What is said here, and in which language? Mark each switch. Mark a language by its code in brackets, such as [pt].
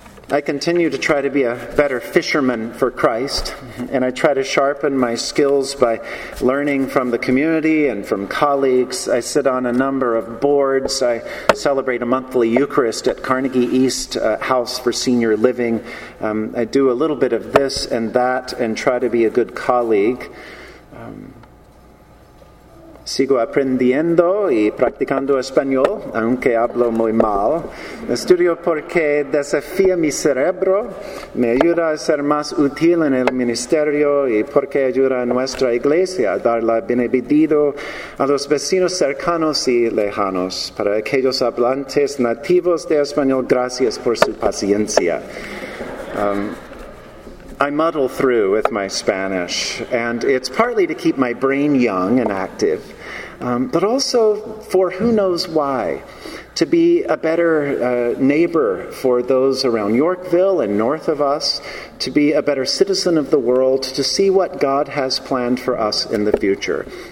[en] I continue to try to be a better fisherman for Christ, and I try to sharpen my skills by learning from the community and from colleagues. I sit on a number of boards. I celebrate a monthly Eucharist at Carnegie East House for Senior Living. I do a little bit of this and that and try to be a good colleague. [es] Sigo aprendiendo y practicando español, aunque hablo muy mal. Estudio porque desafía mi cerebro, me ayuda a ser más útil en el ministerio y porque ayuda a nuestra iglesia a dar la bienvenida a los vecinos cercanos y lejanos. Para aquellos hablantes nativos de español, gracias por su paciencia. [en] I muddle through with my Spanish, and it's partly to keep my brain young and active, but also for who knows why, to be a better neighbor for those around Yorkville and north of us, to be a better citizen of the world, to see what God has planned for us in the future.